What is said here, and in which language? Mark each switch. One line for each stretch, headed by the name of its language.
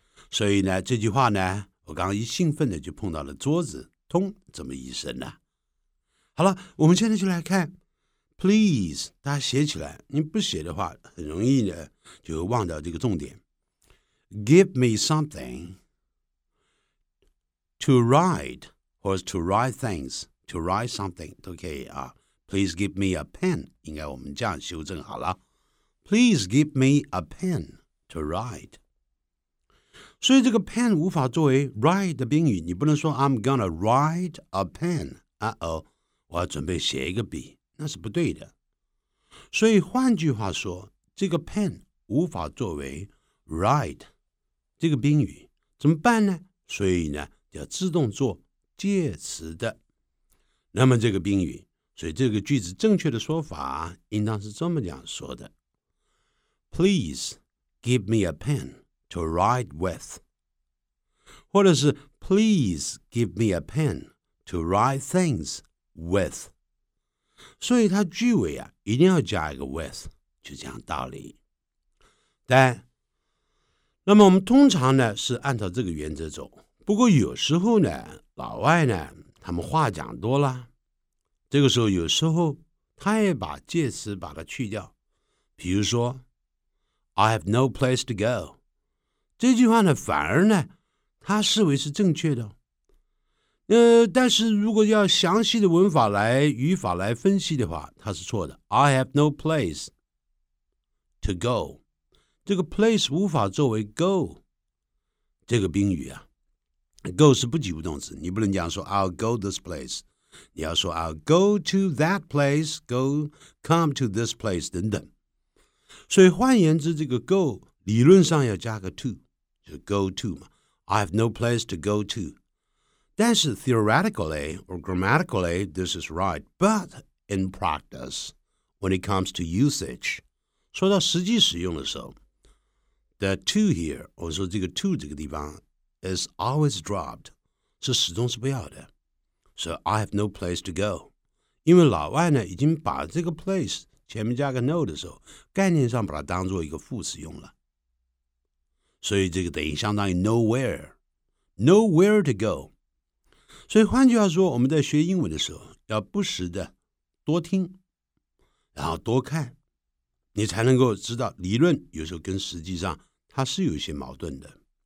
Chinese: 所以呢，这句话呢，我刚刚一兴奋的就碰到了桌子，通这么一声呢。好了，我们现在就来看 ，please， 大家写起来，你不写的话，很容易呢就忘掉这个重点。
English: Give me something。 To write, or to write things, to write something,
Chinese: 都可以啊。
English: Please give me a pen,
Chinese: 应该我们这样修正好了。
English: Please give me a pen to write.
Chinese: 所以这个 pen 无法作为 write 的宾语，你不能说
English: I'm gonna write a pen，
Chinese: 我要准备写一个笔，那是不对的。所以换句话说，这个 pen 无法作为 write 这个宾语，怎么办呢？所以呢，要自动做介词的。那么这个宾语，所以这个句子正确的说法应当是这么讲说的
English: Please give me a pen to write with，
Chinese: 或者是
English: Please give me a pen to write things with。
Chinese: 所以它句尾啊一定要加一个 with， 就这样道理。但那么我们通常呢是按照这个原则走，不过有时候呢老外呢他们话讲多了，这个时候有时候他也把介词把它去掉，比如说
English: I have no place to go，
Chinese: 这句话呢反而呢他视为是正确的。但是如果要详细的文法来语法来分析的话，它是错的。
English: I have no place to go，
Chinese: 这个 place 无法作为 go 这个宾语啊。 go 是不及物动词，你不能讲说
English: I'll go this place，
Chinese: 你要说
English: I'll go to that place， go come to this place
Chinese: 等等。所以换言之，这个 go 理论上要加个 to， 就 go to 嘛。
English: I have no place to go to，
Chinese: 但是
English: theoretically or grammatically this is right， but in practice when it comes to usage，
Chinese: 说到实际使用的时候，
English: the to here，
Chinese: 我说这个
English: to
Chinese: 这个地方
English: is always dropped，
Chinese: 是始终是不要的。
English: So I have no place to go，
Chinese: 因为老外呢已经把这个 place 前面加个 no 的时候，概念上把它当作一个副词用了，所以这个等于相当于 nowhere，
English: nowhere to go。
Chinese: 所以换句话说，我们在学英文的时候要不时的多听然后多看，你才能够知道理论有时候跟实际上它是有一些矛盾的。